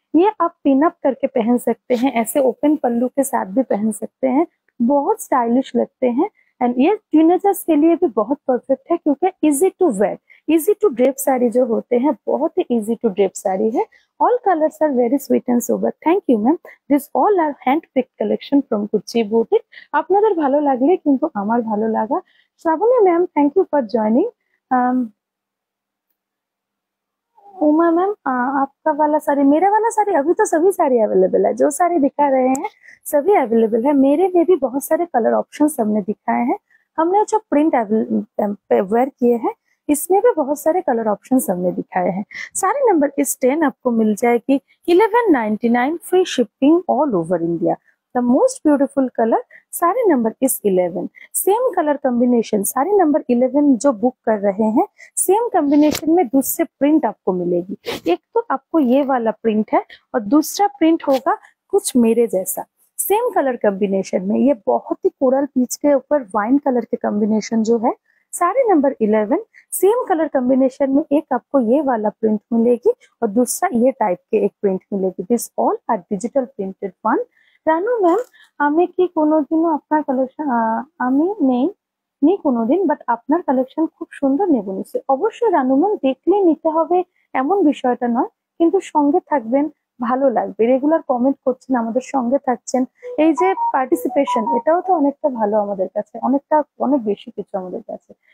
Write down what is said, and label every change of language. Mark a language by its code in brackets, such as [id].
[hi] ये आप पिनअप करके पहन सकते हैं, ऐसे ओपन पल्लू के साथ भी पहन सकते हैं, बहुत स्टाइलिश लगते हैं। एंड ये टीनेजर्स के लिए भी बहुत परफेक्ट है, क्योंकि [en] easy to wear, easy to drape [hi] sari जो होते हैं, बहुत ही इजी टू ड्रेप साड़ी है। [en] All colours are very sweet and sober. Thank you ma'am, this all are hand pick collection from Kuchi boutique. [bn] আপনাদের ভালো লাগলে, কিন্তু আমার ভালো লাগা। [en] Shrabani ma'am, thank you for joining. [hi] Uma ma'am, आपका वाला साड़ी, मेरा वाला साड़ी, अभी तो सभी साड़ी अवेलेबल है, जो साड़ी दिखा रहे हैं सभी अवेलेबल है। मेरे में भी बहुत सारे कलर ऑप्शन हमने दिखाए हैं, हमने जो प्रिंट वेयर किए हैं इसमें भी बहुत सारे कलर ऑप्शन हमने दिखाए हैं। साड़ी नंबर इस 10 आपको मिल जाएगी, 1199, [en] Free shipping all over India, the most beautiful colour. [hi] Sari number इस 11, same colour combination. Sari number 11 जो बुक कर रहे हैं, सेम कॉम्बिनेशन में दूसरे प्रिंट आपको मिलेगी। एक तो आपको ये वाला प्रिंट है, और दूसरा प्रिंट होगा कुछ मेरे जैसा, सेम कलर कॉम्बिनेशन में। ये बहुत ही कोरल पीच के ऊपर वाइन कलर के कॉम्बिनेशन जो है, sari number 11, same colour combination में एक आपको ये वाला प्रिंट मिलेगी, और दूसरा ये टाइप के एक प्रिंट मिलेगी। [en] This all are digital printed one. [bn] জানো ম্যাম, আমি কি কোনোদিনও আপনার কালেকশন, আমি নেই নেই কোনোদিন, বাট আপনার কালেকশন খুব সুন্দর নেব নিশ্চয়। অবশ্যই রানু ম্যাম, দেখলে নিতে হবে এমন বিষয়টা নয়, কিন্তু সঙ্গে থাকবেন, ভালো লাগবে। রেগুলার কমেন্ট করছেন, আমাদের সঙ্গে থাকছেন, এই যে পার্টিসিপেশন, এটাও তো অনেকটা ভালো আমাদের কাছে, অনেকটা অনেক বেশি কিছু আমাদের কাছে।